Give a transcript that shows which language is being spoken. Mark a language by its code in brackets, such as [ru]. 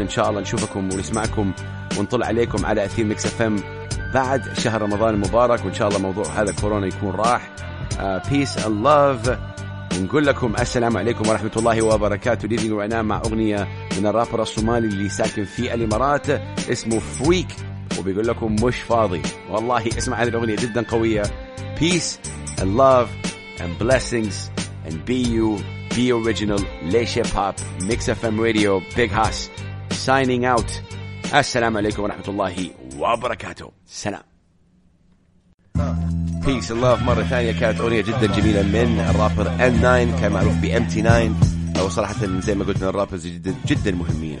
[ar] إن شاء الله نشوفكم ونسمعكم ونطلع عليكم على أثير Mix FM بعد شهر رمضان المبارك, وإن شاء الله موضوع هذا كورونا يكون راح. [en] Peace and love. [ar] نقول لكم السلام عليكم ورحمة الله وبركاته. [en] Living right now [ar] مع أغنية من الرابر الصومالي اللي ساكن في الإمارات اسمه فويك, وبيقول لكم مش فاضي. والله اسمع هذه الأغنية جدا قوية. [en] Peace and love and blessings and be you, be original. Laish Hip Hop, Mix FM Radio, Big Hoss signing out. [ar] السلام عليكم ورحمة الله وبركاته. سلام. [en] Peace and love. [ar] مرة ثانية كانت أغنية جدا جميلة من الرابر N9, كان معروف بMT9, وصراحة زي ما قلت من الرابرز جدا جدا مهمين.